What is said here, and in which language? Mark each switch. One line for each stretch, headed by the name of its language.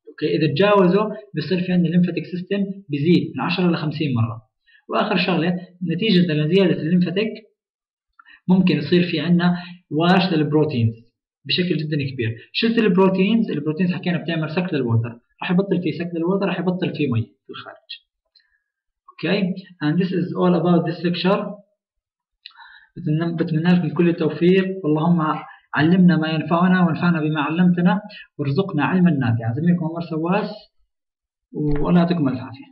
Arabic: اوكي، اذا تجاوزه بصير في عندنا الليمفاتيك سيستم بيزيد من 10 ل 50 مره. واخر شغله، نتيجه لزياده الليمفاتيك ممكن يصير في عندنا واش للبروتينز بشكل جدا كبير. شلت البروتينز، البروتينز حكينا بتعمل سك للووتر، راح يبطل فيه سك للووتر، راح يبطل فيه مي في الخارج.
English: Okay, and this is all about this lecture.
Arabic: بتمنى لكم كل التوفيق، اللهم علمنا ما ينفعنا وانفعنا بما علمتنا وارزقنا علما نافعا. زميلكم عمر سواس، والله يعطيكم الف عافيه.